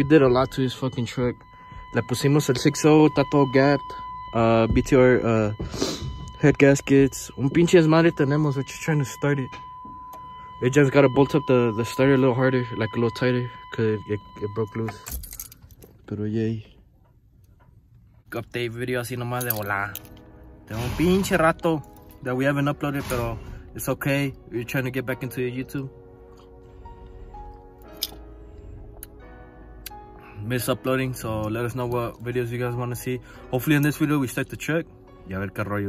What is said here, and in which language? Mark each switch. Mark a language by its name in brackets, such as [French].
[English] We did a lot to this fucking truck. [Spanish] Le pusimos el 6.0, está todo [English] gapped. BTR head gaskets. [Spanish] Un pinche esmadre tenemos, [English] we're just trying to start it. It just gotta bolt up the starter a little harder, like a little tighter, cause it broke loose. [Spanish] Pero yay. [English] Update video [Spanish] así nomás de hola. Tengo un pinche rato [English] that we haven't uploaded, pero it's okay. We're trying to get back into your YouTube. Miss uploading, so let us know what videos you guys wanna see. Hopefully in this video we start the truck. [Spanish] Ya ver qué rollo.